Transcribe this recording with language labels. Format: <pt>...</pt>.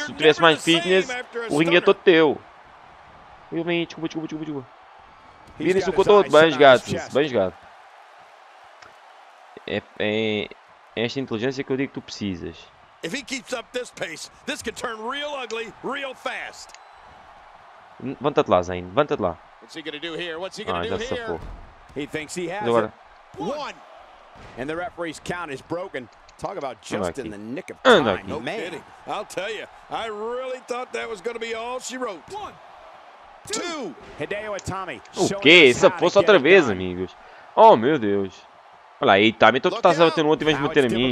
<pt>Se tu tivesse mais fitness, o ringue é todo teu. Eu venho, desculpa. Fitness o cotô, bem jogado. Bem jogado. É esta inteligência que eu digo que tu precisas.</pt> <en>If he keeps up this pace, this could turn real ugly, real fast.</en> <pt>Levanta-te lá, Zayn. Levanta-te lá.</pt> <en>What's he gonna do here? What's he gonna do here?</en> <pt>Safou.</pt> <en>He thinks he has it. One. And the referee's count is broken. Talk about just in the nick of time. No kidding. I'll tell you, I really thought that was gonna be all she wrote. One. Two.</en> <pt>Hideo Itami. O quê? Safou-se outra vez, amigos. Oh, meu Deus. Olha aí, tá. Então tu tá batendo outro em vez de bater em mim.</pt>